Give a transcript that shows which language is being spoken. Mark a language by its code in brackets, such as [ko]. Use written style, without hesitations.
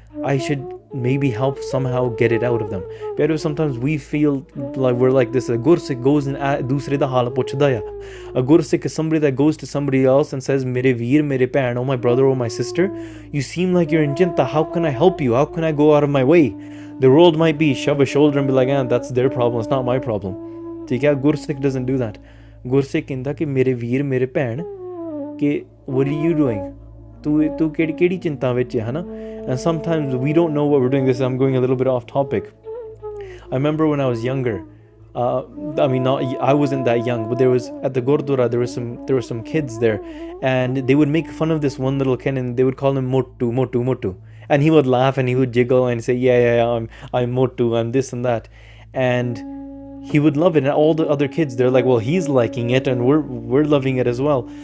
[en] I should maybe help somehow get it out of them. But sometimes we feel like we're like this. A gursikh goes and [pa] dusre da hal puchhda ya. [en] A gursikh is somebody that goes to somebody else and says, [pa] "Mere veer, mere pehn, [en] oh my brother, oh my sister, you seem like you're in chinta. How can I help you? How can I go out of my way?" The world might be shove a shoulder and be like, "Ah, that's their problem. It's not my problem." [hi] ठीक है, [en] Gursikh doesn't do that. [pa] Gursikh कहता कि मेरे वीर मेरे भैन, कि [en] what are you doing, [pa] तू तू केड़ी केड़ी चिंता विच है ना. [en] And sometimes we don't know what we doing. This I am going a little bit off topic. I remember when I was younger, I mean not I was in that young, but there was at the gurdwara there was some kids there and they would make fun of this one little kid and they would call him Motu Motu Motu and he would laugh and he would jiggle and say yeah I am Motu, I am this and that. And he would love it, and all the other kids, they're like, well, he's liking it and we're loving it as well.